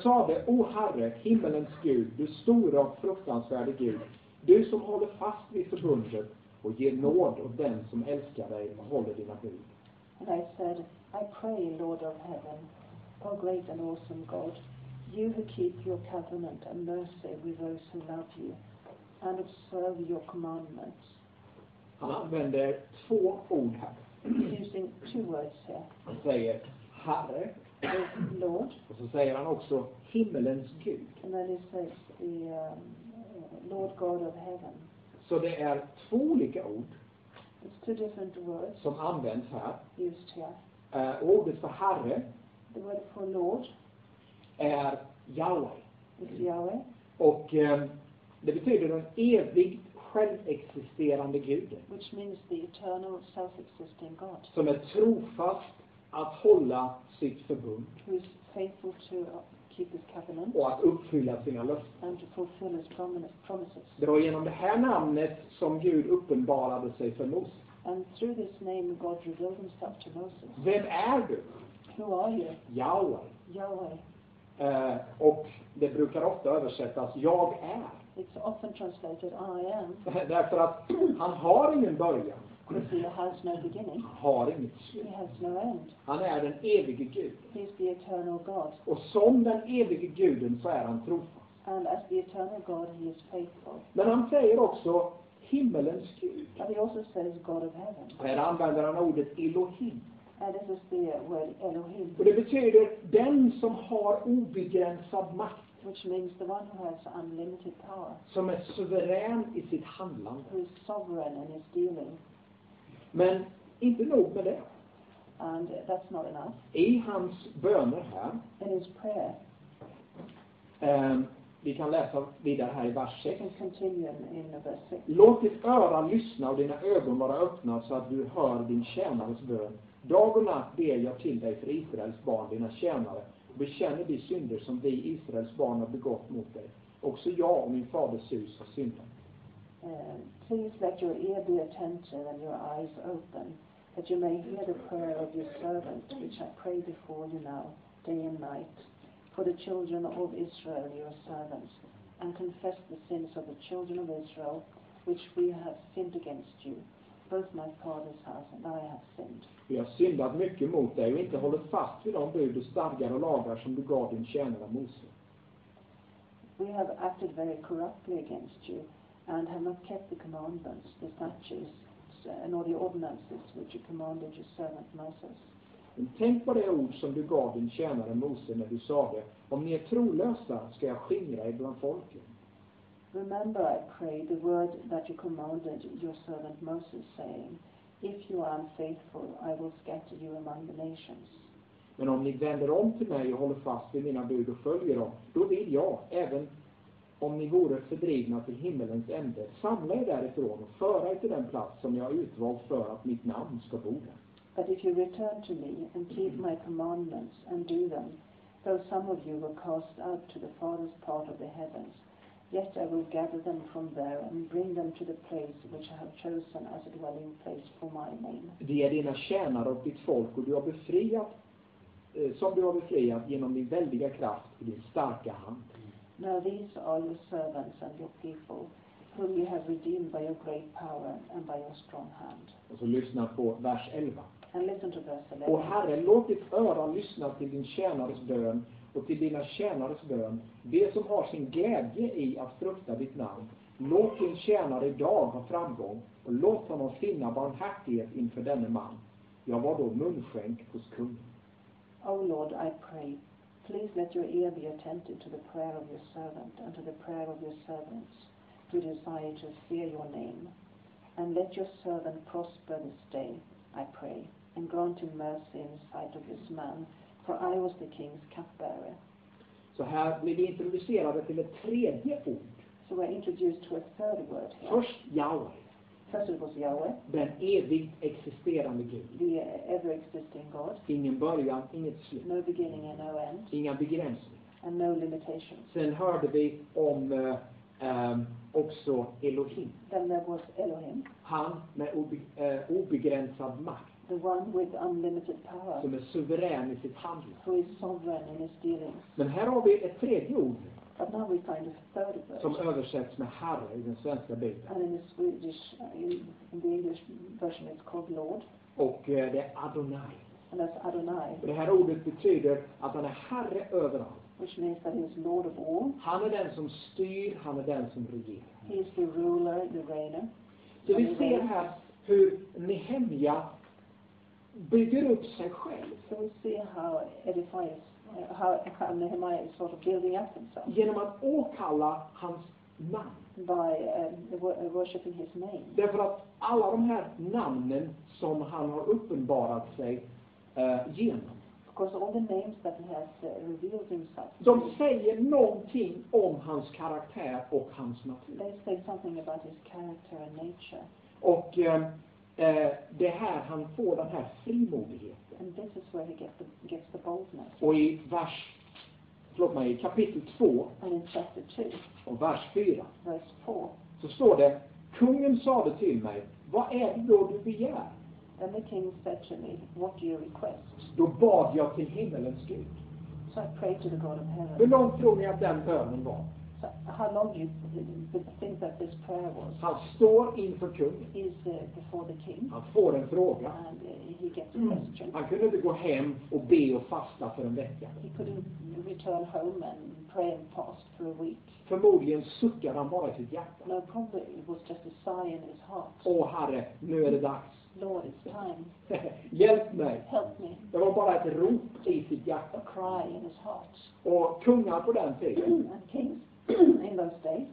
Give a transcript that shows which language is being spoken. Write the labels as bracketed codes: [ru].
[sv] sa det, o Herre, himmelens Gud, du stora och fruktansvärde Gud, du som håller fast vid förbundet och ger nåd åt den som älskar dig och håller dina bud. [en] And I said, I pray, Lord of heaven, O great and awesome God, you who keep your covenant and mercy with those who love you and observe your commandments. [sv] Han använder två ord här. [en] Using two words here. [sv] Han säger Herre, [en] Lord. [sv] Och så säger han också himmelens Gud. [en] And then he says the Lord God of heaven. [sv] Så det är två olika ord. [en] It's two different words. [sv] Som används här. [en] Used here. [sv] Ordet för Herre. [en] The word for Lord. [sv] Är Yahweh. [en] It's Yahweh. [sv] Och det betyder en evig självexisterande Gud. [en] Which means the eternal self-existing God. [sv] Som är trofast att hålla sitt förbund. [en] Who is faithful to keep his covenant. [sv] Och att uppfylla sina löften. [en] And to fulfill his promises. [sv] Det var genom det här namnet som Gud uppenbarade sig för Mose. [en] And through this name God revealed himself to Moses. [sv] Vem är du? [en] Who are you? [sv] Yahweh. [en] Yahweh. [sv] Och det brukar ofta översättas jag är. [en] It's often translated I am. [sv] Därför att han har ingen början. [en] Because he has no beginning. [sv] Har inget slut. [en] He has no end. [sv] Han är den evige guden. [en] He is the eternal God. [sv] Och som den evige guden så är han trofast. [en] And as the eternal God he is faithful. [sv] Men han säger också himmelens Gud. [en] And he also says God of heaven. [sv] Här använder han ordet Elohim. [en] And this is the word Elohim. [sv] Och det betyder den som har obegränsad makt. [en] Which means the one who has unlimited power. [sv] Som är suverän i sitt handlande. [en] Who is sovereign in his dealing. [sv] Men inte nog med det. [en] And that's not enough. [sv] I hans böner här. [en] In his prayer. [sv] Vi kan läsa vidare här i vers 6. [en] And continue in verse 6. [sv] Låt ditt öra lyssna och dina ögon vara öppna så att du hör din tjänares bön. Dag och natt ber jag till dig för Israels barn, dina tjänare. Och bekänner de synder som vi Israels barn har begått mot dig. Också jag och min faders hus har syndat. [en] Please let your ear be attentive and your eyes open, that you may hear the prayer of your servant, which I pray before you now, day and night, for the children of Israel, your servants, and confess the sins of the children of Israel, which we have sinned against you. Both my father's house and I have sinned. [sv] Vi har syndat mycket mot dig och inte hållit fast vid de bud och stadgar och lagar som du gav din tjänare Mose. [en] We have acted very corruptly against you and have not kept the commandments, the statutes, nor the ordinances which you commanded your servant Moses. [sv] Men tänk på det ord som du gav din tjänare Mose när du sa det. Om ni är trolösa ska jag skingra er bland folken. [en] Remember, I pray, the word that you commanded your servant Moses, saying, if you are unfaithful, I will scatter you among the nations. [sv] Men om ni vänder om till mig och håller fast vid mina bud och följer dem, då vill jag, även om ni vore fördrivna till himmelens ände, samla er därifrån och föra er till den plats som jag utvalt för att mitt namn ska bo där. [en] But if you return to me and keep my commandments and do them, though some of you were cast out to the farthest part of the heavens, Yet I will gather them from there and bring them to the place which I have chosen as a dwelling place for my name. [sv] De är dina tjänare och ditt folk, och du har befriat, som du har befriat genom din väldiga kraft och din starka hand. [en] Now these are your servants and your people, whom you have redeemed by your great power and by your strong hand. [sv] Och så lyssna på vers 11. [en] And listen to verse 11. [sv] Och Herre, låt ditt öra lyssna till din tjänares bön och till dina tjänares bön, det som har sin glädje i att frukta ditt namn. Låt din tjänare idag ha framgång, och låt honom finna barmhärtighet inför denne man. Jag var då munskänk hos kungen. [en] O Lord, I pray, please let your ear be attentive to the prayer of your servant and to the prayer of your servants who desire to fear your name. And let your servant prosper this day, I pray, and grant him mercy in sight of this man, for I was the king's cupbearer. [sv] Så här blir vi introducerade till ett tredje ord. [en] So we're introduced to a third word here. [sv] Först Yahweh. [en] First it was Yahweh. [sv] Den evigt existerande Gud. [en] The ever existing God. [sv] Ingen början, inget slut. [en] No beginning and no end. [sv] Inga begränsningar. [en] And no limitations. [sv] Sen hörde vi om också Elohim. [en] Then there was Elohim. [sv] Han med obegränsad makt. [en] The one with unlimited power, [sv] som är suverän i sitt handlande. [en] Who is sovereign in his dealings. [sv] Men här har vi ett tredje ord. [en] But now we find a third word. [sv] Som översätts med Herre i den svenska bibeln. [en] And in the Swedish, in the English version, it's called Lord. [sv] Och det är Adonai. [en] And that's Adonai. [sv] Det här ordet betyder att han är Herre överallt. [en] Which means that he is Lord of all. [sv] Han är den som styr, han är den som regerar. [en] He is the ruler, the reigner. [sv] Så vi ser här hur Nehemja bygger upp sig själv. [en] So we see how edifies, how Nehemiah is sort of building up himself. [sv] Genom att åkalla hans namn. [en] By worshiping his name. [sv] Därför att alla de här namnen som han har uppenbarat sig genom. [en] Because all the names that he has revealed himself. [sv] De säger någonting om hans karaktär och hans natur. [en] They say something about his character and nature. [sv] Och det här han får den här frimodigheten. [en] And this is where he gets the boldness. [sv] Och i vers, förlåt mig, i kapitel 2. [en] And in chapter 2. [sv] Och vers 4. [en] Verse 4. [sv] Så står det, kungen sa det till mig, vad är det då du begär? [en] Then the king said to me, what do you request? [sv] Då bad jag till himmelens Gud. [en] So I prayed to the God of heaven. [sv] Hur långt tror ni att den bönen var? [en] How long you think that this prayer was? [sv] Han står inför kungen. [en] Is before the king. [sv] Han får en fråga. [en] And he gets a question. [sv] Han kunde inte gå hem och be och fasta för en vecka. [en] He couldn't return home and pray and fast for a week. [sv] Förmodligen suckade han bara i sitt hjärta. [en] No, probably it was just a sigh in his heart. [sv] Åh Herre, nu är det dags. [en] Lord, it's time. [sv] Hjälp mig. [en] Help me. [sv] Det var bara ett rop i sitt hjärta. [en] A cry in his heart. [sv] Och kungar på den tiden. [en] And kings. In those days,